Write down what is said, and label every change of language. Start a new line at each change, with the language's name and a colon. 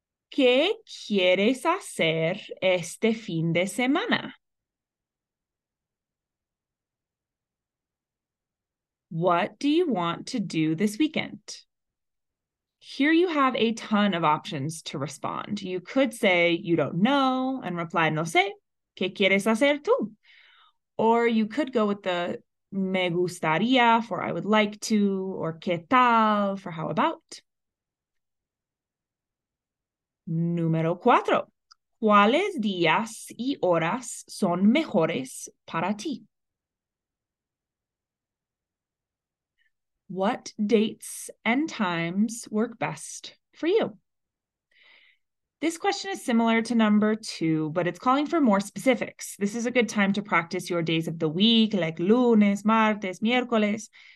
Spanish: ¿Qué quieres hacer este fin de semana?
English: What do you want to do this weekend? Here you have a ton of options to respond. You could say you don't know and reply
Spanish: no sé, ¿qué quieres hacer tú?
English: Or you could go with the me gustaría for I would like to, or ¿qué tal for how about?
Spanish: Número cuatro. ¿Cuáles días y horas son mejores para ti?
English: what dates and times work best for you? This question is similar to number two, but it's calling for more specifics. This is a good time to practice your days of the week, like lunes, martes, miércoles.